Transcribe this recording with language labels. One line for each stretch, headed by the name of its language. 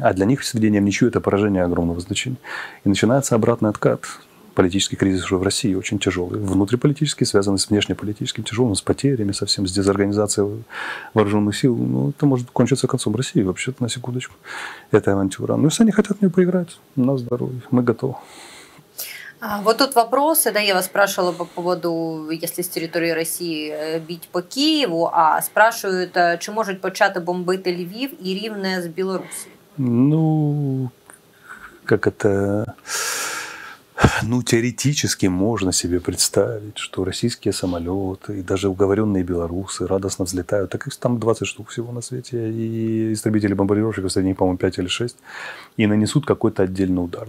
Russian: А для них сведение в ничью – это поражение огромного значения. И начинается обратный откат. Политический кризис уже в России очень тяжелый. Внутриполитический, связанный с внешнеполитическим, тяжелым, с потерями совсем, с дезорганизацией вооруженных сил. Ну, это может кончиться концом России вообще-то, на секундочку, эта авантюра. Но если они хотят в нее поиграть, на здоровье, мы готовы. Вот тут вопрос, это я вас спрашивала по поводу, если с территории России бить по Киеву, а спрашивают,
Ukrainian: чи можуть почати бомбити Львів і Рівне з Білорусі?
Russian: Ну, как это... Ну, теоретически можно себе представить, что российские самолеты и даже уговоренные белорусы радостно взлетают. Так их там 20 штук всего на свете. И истребители-бомбардировщики, среди них, по-моему, 5 или 6, и нанесут какой-то отдельный удар.